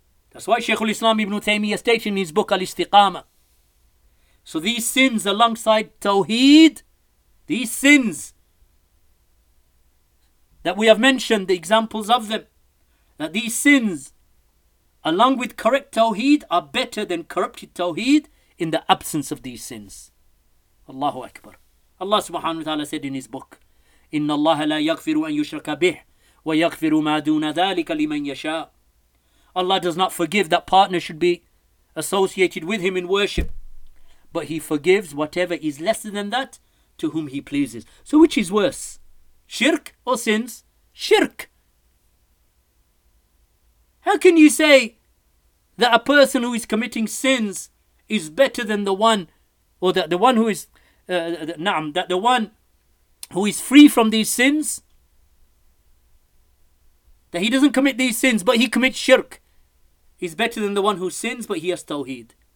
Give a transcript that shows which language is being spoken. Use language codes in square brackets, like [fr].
[en] That's why Shaykh al-Islam ibn Taymiyyah stated in his book Al-Istiqama. So these sins alongside Tawheed, these sins that we have mentioned, the examples of them, that these sins along with correct Tawheed are better than corrupted Tawheed in the absence of these sins. Allahu Akbar. Allah subhanahu wa ta'ala said in his book, [ar] إِنَّ اللَّهَ لَا يَغْفِرُ أَن يُشْرَكَ بِهِ وَيَغْفِرُ مَا دُونَ ذَلِكَ لِمَنْ يَشَاءُ. [en] Allah does not forgive that partner should be associated with him in worship, but he forgives whatever is lesser than that to whom he pleases. So which is worse? Shirk or sins? Shirk. How can you say that a person who is committing sins is better than the one, or that the one who is, that the one who is free from these sins, that he doesn't commit these sins, but he commits shirk, is better than the one who sins but he has tawheed?